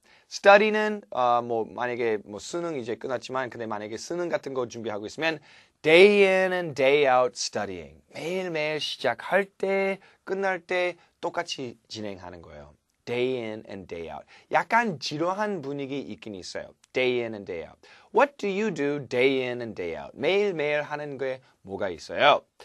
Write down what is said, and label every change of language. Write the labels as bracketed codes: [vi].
[ko] Study는 뭐 만약에 뭐 수능 이제 끝났지만 근데 만약에 수능 같은 거 준비하고 있으면 [en] day in and day out studying. [ko] 매일매일 시작할 때, 끝날 때 똑같이 진행하는 거예요. [en] Day in and day out. [ko] 약간 지루한 분위기 있긴 있어요. [en] Day in and day out. What do you do day in and day out? [ko] 매일매일 하는 게 뭐가 있어요?